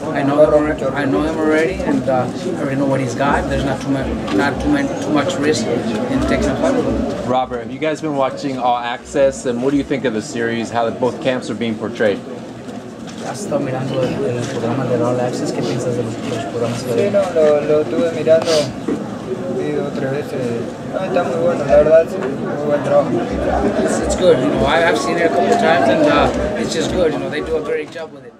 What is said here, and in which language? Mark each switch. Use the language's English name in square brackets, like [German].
[English] I know him already and I already know what he's got. There's not too much risk in taking a fight. Robert, have you guys been watching All Access? And what do you think of the series? How both camps are being portrayed? [Spanish] ¿Has estado mirando el programa de All Access? ¿Qué piensas de los programas que hay? Sí, no, lo estuve mirando dos o tres veces. No, está muy bueno, la verdad, sí, muy buen trabajo. [English] It's good, you know, I've seen it a couple of times and it's just good, you know, they do a great job with it.